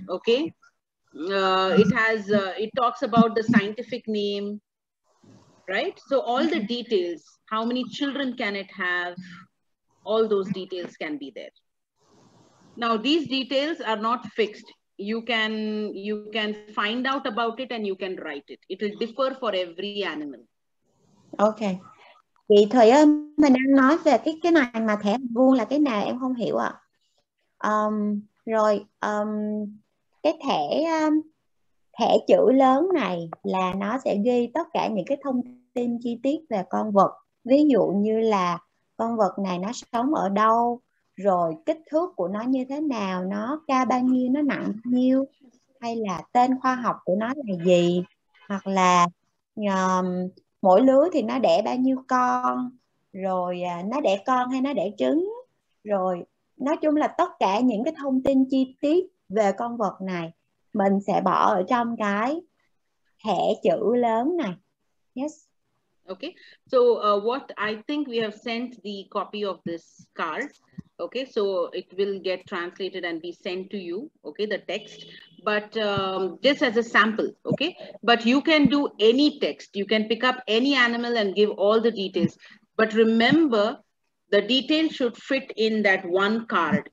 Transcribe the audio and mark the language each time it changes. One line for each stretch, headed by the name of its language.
English: Okay. It has. It talks about the scientific name, right? So all the details. How many children can it have? All those details can be there. Now these details are not fixed. You can find out about it and you can write it. It will differ for every animal. Okay.
Vietnamese: Vậy thời ơi, mình đang nói về cái này mà thẻ vuông là cái nào em không hiểu ạ. Rồi. Cái thẻ thẻ chữ lớn này là nó sẽ ghi tất cả những cái thông tin chi tiết về con vật, ví dụ như là con vật này nó sống ở đâu, rồi kích thước của nó như thế nào, nó cao bao nhiêu, nó nặng bao nhiêu, hay là tên khoa học của nó là gì, hoặc là mỗi lứa thì nó đẻ bao nhiêu con, rồi nó đẻ con hay nó đẻ trứng, rồi nói chung là tất cả những cái thông tin chi tiết về con vật này mình sẽ bỏ ở trong cái thẻ chữ lớn này.
English: Yes. Okay. So what I think we have sent the copy of this card. Okay. So it will get translated and be sent to you. Okay. The text. But just as a sample. Okay. But you can do any text. You can pick up any animal and give all the details. But remember, the details should fit in that one card.